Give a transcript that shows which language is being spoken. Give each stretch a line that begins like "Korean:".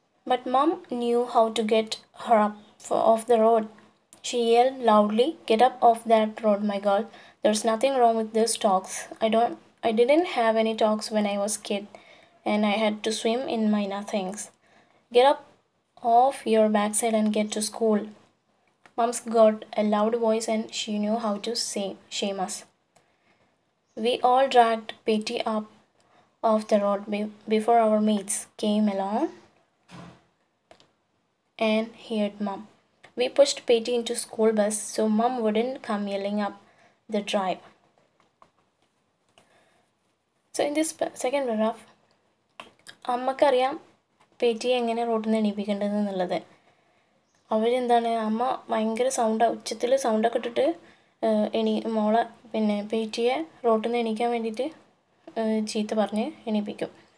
English: But Mum knew how to get her up off the road. She yell loudly, get up off that road my girl, there is nothing wrong with this togs. I didn't have any togs when I was kid and I had to swim in my nothings. Get up off your back side and get to school. Mom's got a loud voice and she knew how to shame us. We all dragged Petey up off the road before our mates came along and heard Mom. We pushed Petey into school bus so Mum wouldn't come yelling up the drive. So in this second paragraph,
Malayalam: അമ്മക്കറിയാം പേറ്റിയെ എങ്ങനെ റോഡിൽ നിന്ന് എണീപ്പിക്കേണ്ടത് എന്നുള്ളത്. അവരെന്താണ്, അമ്മ ഭയങ്കര sound ഉച്ചത്തിൽ സൗണ്ടൊക്കെ ഇട്ടിട്ട് എണി മോളെ പിന്നെ പേറ്റിയെ റോഡിൽ നിന്ന് എണീക്കാൻ വേണ്ടിയിട്ട് ചീത്ത പറഞ്ഞ് എണീപ്പിക്കും.